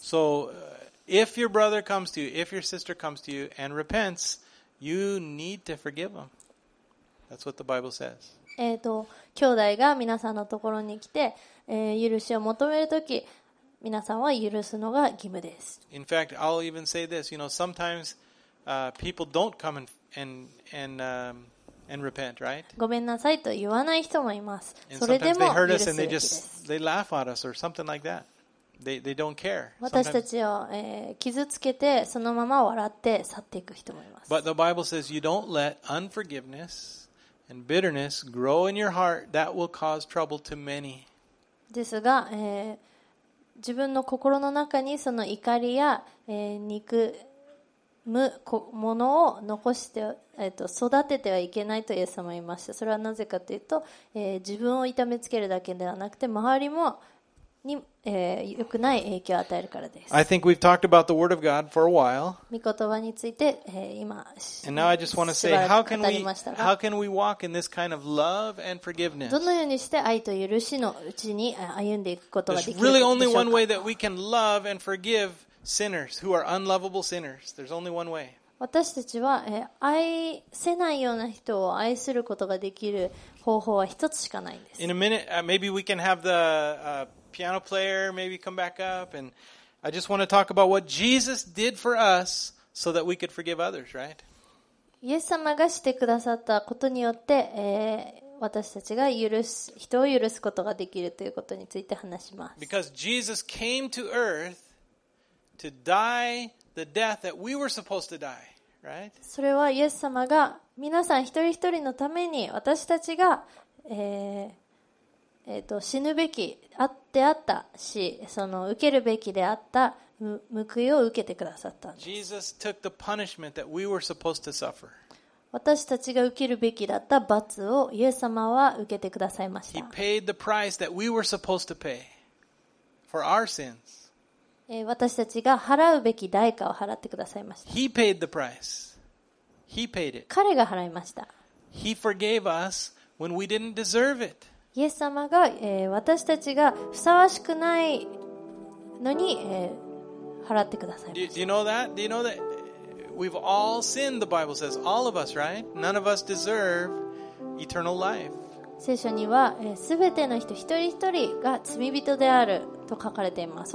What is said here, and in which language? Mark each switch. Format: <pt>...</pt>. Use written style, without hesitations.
<en>So if your brother comes to you, if your sister comes to you and repents, you need to forgive them. That's what the Bible says.</en> <ja>兄弟が皆さんのところに来て、許しを求めるとき、皆さんは許すのが義務です。</ja> <en>In fact, I'll even say this. You know, sometimes people don't come and and repent, right?</en> <ja>ごめんなさいと言わない人もいます。それでも許すべきです。</ja> <en>And sometimes they hurt us and they just, they don't care.</en> <ja>私たちを、傷つけてそのまま笑って去っていく人もいます。</ja> <en>But the Bible says you don't let unforgiveness and bitterness grow in your heart. That will cause trouble to many.</en> <ja>ですが、自分の心の中にその怒りや、憎むものを残して、育ててはいけないとイエス様は言いました。それはなぜかというと、自分を痛めつけるだけではなくて周りもに、良くない影響を与えるからです。</ja> <en>I think we've talked about the Word of God for a while.</en> <ja>御言葉について、今、</ja> <en>And now I just want to say, how can we walk in this kind of love and forgiveness?</en> <ja>どのようにして愛と許しのうちに歩んでいくことができるか。</ja> <en>There's really only one way that we can love and forgive sinners who are unlovable sinners. There's only one way.</en> <ja>私たちは、愛せないような人を愛することができる方法は一つしかないんです。</ja> <en>In a minute, maybe we can have the piano player maybe come back up, and I just want to talk about what Jesus did for us so that we could forgive others, right?</en> <ja>イエス様がしてくださったことによって、私たちが人を許すことができるということについて話します。</ja> <en>Because Jesus came to earth to die. The death that we were supposed to die, right?</en> <ja>それはイエス様が皆さん一人一人のために私たちが、死ぬべきであったし、その受けるべきであった報いを受けてくださったんです。</ja> <en>Jesus took the punishment that we were supposed to suffer.</en> <ja>私たちが受けるべきだった罰をイエス様は受けてくださいました。</ja> <en>He paid the price that we were supposed to pay for our sins.</en> <ja>私たちが払うべき代価を払ってくださいました。</ja> <en>He paid the price. He paid it.</en> <ja>彼が払いました。</ja> <en>He forgave us when we didn't deserve it.</en> <ja>イエス様が、私たちがふさわしくないのに、払ってくださいました。</ja> <en>Do you know that? Do you know that? We've all sinned, the Bible says. All of us, right? None of us deserve eternal life.</en> <ja>聖書には、全ての人一人一人が罪人であると書かれています。</ja>